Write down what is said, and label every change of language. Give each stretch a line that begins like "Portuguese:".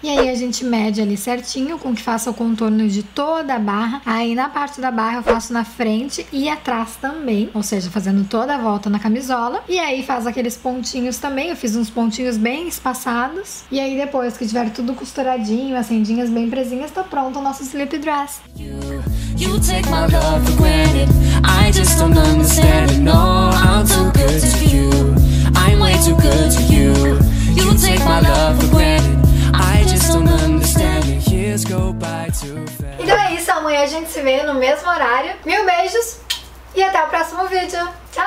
Portuguese: E aí a gente mede ali certinho com que faça o contorno de toda a barra. Aí na parte da barra eu faço na frente e atrás também, ou seja, fazendo toda a volta na camisola. E aí faz aqueles pontinhos também, eu fiz uns pontinhos bem espaçados. E aí depois que tiver tudo costuradinho, as rendinhas bem presinhas, tá pronto o nosso slip dress.
English: You take my love for granted. I just don't understand it. No, I'm too good to you. I'm way too good to you. You take my love for granted. I just don't understand it. Years go by too fast.
Portuguese: Então é isso, amanhã a gente se vê no mesmo horário. Mil beijos e até o próximo vídeo.